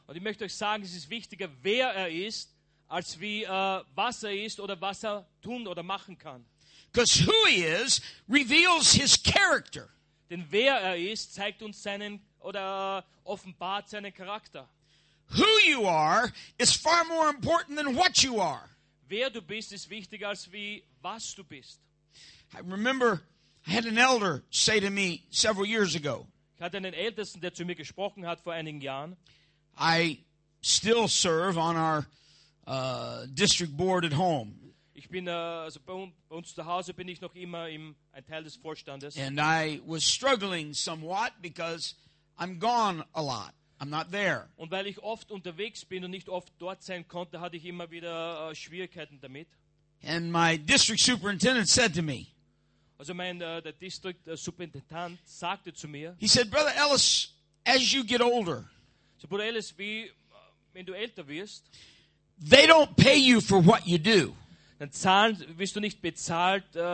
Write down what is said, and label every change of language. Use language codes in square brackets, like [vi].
[de] Und ich möchte euch sagen, es ist wichtiger, wer er ist, als wie was er ist oder was er tun oder machen kann. [en] Because who he is reveals his character. [de] Denn wer er ist, zeigt uns seinen oder offenbart seinen Charakter. [en] Who you are is far more important than what you are. [de] Wer du bist, ist wichtiger als wie was du bist. [en] I remember I had an elder say to me several years ago. [de] Ich hatte einen Ältesten, der zu mir gesprochen hat vor einigen Jahren. [en] I still serve on our district board at home. [de] Ich bin also bei uns zu Hause bin ich noch immer ein Teil des Vorstandes. [en] And I was struggling somewhat because I'm gone a lot. I'm not there. [de] Und weil ich oft unterwegs bin und nicht oft dort sein konnte, hatte ich immer wieder Schwierigkeiten damit. [en] And my district superintendent said to me. [de] Also mein der District Superintendent sagte zu mir. [en] He said, Brother Ellis, as you get older. [de] So Bruder Ellis, wie wenn du älter wirst. [en] They don't pay you for what you do. [de] Dann zahlen wirst du nicht bezahlt.